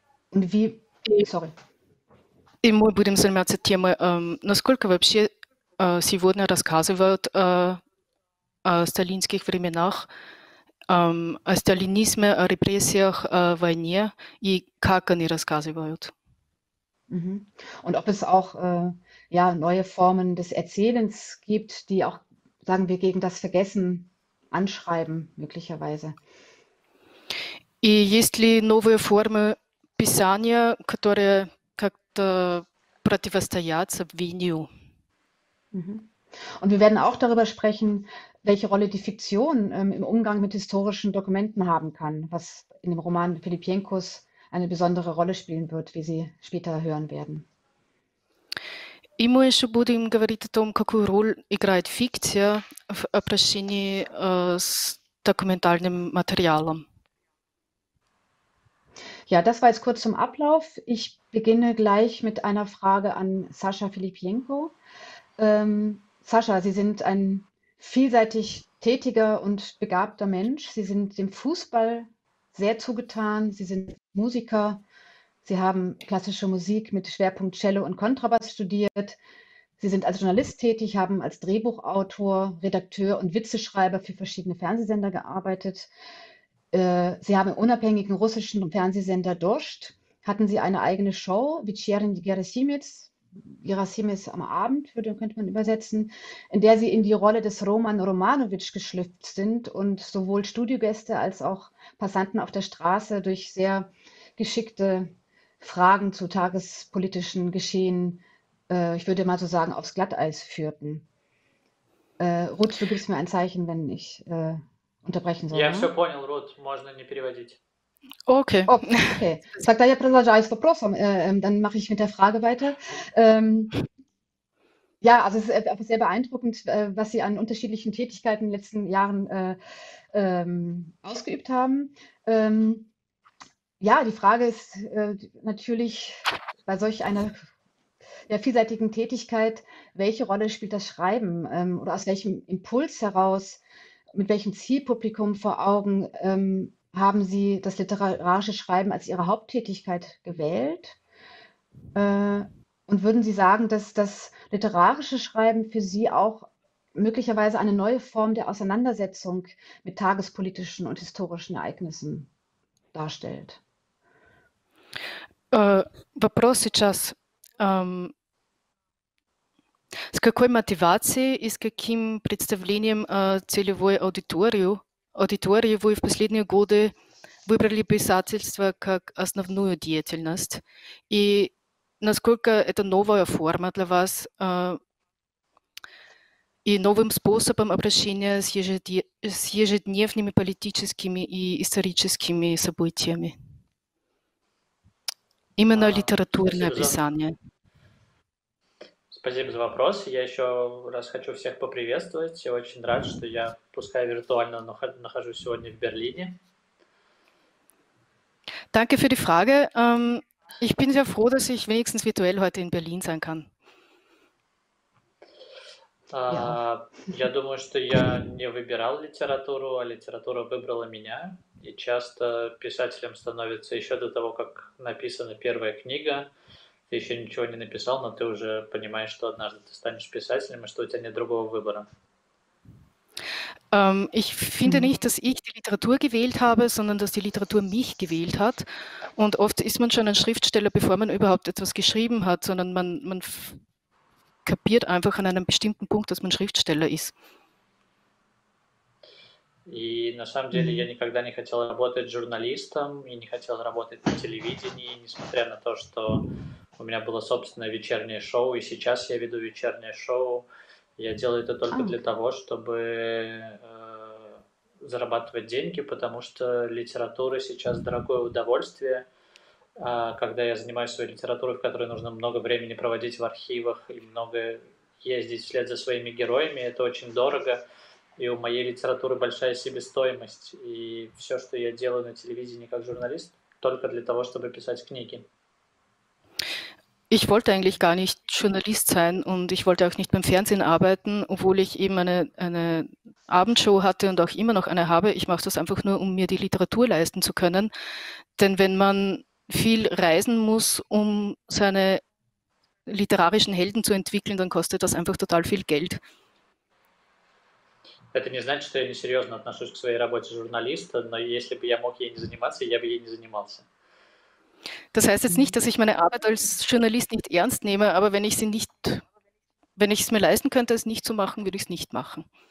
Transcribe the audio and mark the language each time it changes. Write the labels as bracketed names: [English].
[German] Und wie, sorry. [Russian] И мы будем заниматься темой, насколько вообще сегодня рассказывают о сталинских временах, о сталинизме, о репрессиях, о войне и как они рассказывают. [German] Und ob es auch ja, neue Formen des Erzählens gibt, die auch, sagen wir, gegen das Vergessen anschreiben, möglicherweise. [Russian] И есть ли новые формы писания, которые как-то противостоят обвинению? [German] Und wir werden auch darüber sprechen, welche Rolle die Fiktion im Umgang mit historischen Dokumenten haben kann, was in dem Roman Filipienkos eine besondere Rolle spielen wird, wie Sie später hören werden. [Russian] И мы еще будем говорить о том, какую роль играет фикция в обращении с документальным материалом. [German] Ja, das war jetzt kurz zum Ablauf. Ich beginne gleich mit einer Frage an Sascha Filipienko. Sascha, Sie sind ein vielseitig tätiger und begabter Mensch. Sie sind dem Fußball sehr zugetan. Sie sind Musiker. Sie haben klassische Musik mit Schwerpunkt Cello und Kontrabass studiert. Sie sind als Journalist tätig, haben als Drehbuchautor, Redakteur und Witzeschreiber für verschiedene Fernsehsender gearbeitet. Sie haben im unabhängigen russischen Fernsehsender Dosht, hatten Sie eine eigene Show, Vecherin Gerasimets am Abend, würde, könnte man übersetzen, in der Sie in die Rolle des Roman Romanowitsch geschlüpft sind und sowohl Studiogäste als auch Passanten auf der Straße durch sehr geschickte Fragen zu tagespolitischen Geschehen, ich würde mal so sagen, aufs Glatteis führten. Rutsch, du gibst mir ein Zeichen, wenn ich unterbrechen soll, [Russian] Я [German] ja? [Russian] все понял, Рут, можно не переводить. [German] Okay. Oh, okay. [Russian] Тогда я продолжаю с вопросом. [German] Dann mache ich mit der Frage weiter. Ja, also es ist einfach sehr beeindruckend, was Sie an unterschiedlichen Tätigkeiten in den letzten Jahren ausgeübt haben. Ja, die Frage ist natürlich bei solch einer der vielseitigen Tätigkeit, welche Rolle spielt das Schreiben oder aus welchem Impuls heraus, mit welchem Zielpublikum vor Augen haben Sie das literarische Schreiben als Ihre Haupttätigkeit gewählt? Und würden Sie sagen, dass das literarische Schreiben für Sie auch möglicherweise eine neue Form der Auseinandersetzung mit tagespolitischen und historischen Ereignissen darstellt? [Russian] Вопрос сейчас, с какой мотивацией и с каким представлением о целевой аудитории вы в последние годы выбрали писательство как основную деятельность? И насколько это новая форма для вас, и новым способом обращения с ежедневными политическими и историческими событиями? Именно литературное описание. Спасибо за вопрос. Я еще раз хочу всех поприветствовать. Я очень рад, что я, пускай виртуально, но нахожусь сегодня в Берлине. [German] Danke für die Frage. Ich bin sehr froh, dass ich wenigstens virtuell heute in Berlin sein kann. Ja. [Russian] Я думаю, что я не выбирал литературу, а литература выбрала меня. И часто писателем становится еще до того, как написана первая книга. Ты еще ничего не написал, но ты уже понимаешь, что однажды ты станешь писателем и что у тебя нет другого выбора. [German] Ich finde nicht, dass ich die Literatur gewählt habe, sondern dass die Literatur mich gewählt hat. Und oft ist man schon ein Schriftsteller, bevor man überhaupt etwas geschrieben hat, sondern man kapiert einfach an einem bestimmten Punkt, dass man Schriftsteller ist. [Russian] И на самом деле я никогда не хотел работать журналистом и не хотел работать на телевидении, несмотря на то, что у меня было собственное вечернее шоу, и сейчас я веду вечернее шоу. Я делаю это только для того, чтобы зарабатывать деньги, потому что литература сейчас дорогое удовольствие. А когда я занимаюсь своей литературой, в которой нужно много времени проводить в архивах и много ездить вслед за своими героями, это очень дорого. И у моей литературы большая себестоимость. И все, что я делаю на телевидении как журналист, только для того, чтобы писать книги. [German] Ich wollte eigentlich gar nicht Journalist sein und ich wollte auch nicht beim Fernsehen arbeiten, obwohl ich eben eine Abendshow hatte und auch immer noch eine habe. Ich mache das einfach nur, um mir die Literatur leisten zu können. Denn wenn man viel reisen muss, um seine literarischen Helden zu entwickeln, dann kostet das einfach total viel Geld. [Russian] Это не значит, что я несерьезно отношусь к своей работе журналиста, но если бы я мог ей не заниматься, я бы ей не занимался. [German] Das heißt jetzt nicht, dass ich meine Arbeit als Journalist nicht ernst nehme, aber wenn ich es mir leisten könnte, es nicht zu machen, würde ich es nicht machen.